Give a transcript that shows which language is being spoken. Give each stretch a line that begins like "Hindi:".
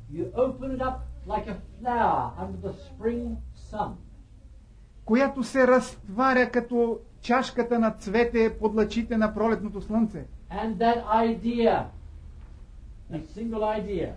English: You open it up like a flower under the spring sun.
Bulgarian: Която се разтваря като чашката на цвете под лъчите на пролетното слънце.
English: And that idea, a single idea,